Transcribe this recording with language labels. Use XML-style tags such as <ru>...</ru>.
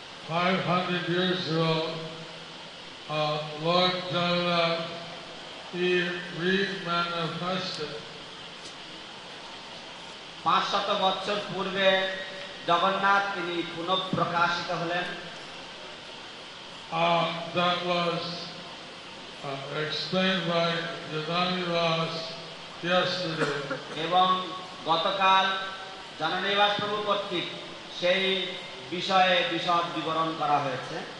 <en>500 years ago, Lord Jaya, he re-manifested.</en> <bn>500 বছর পূর্বে জগন্নাথ তিনি পুনঃপ্রকাশিত হলেন।</bn> <en>That was explained by Janani Vas yesterday.</en> <bn>এবং গতকাল জাননী বাস প্রভু কর্তৃক সেই বিষয়ে বিশদ বিবরণ করা হয়েছে।</bn>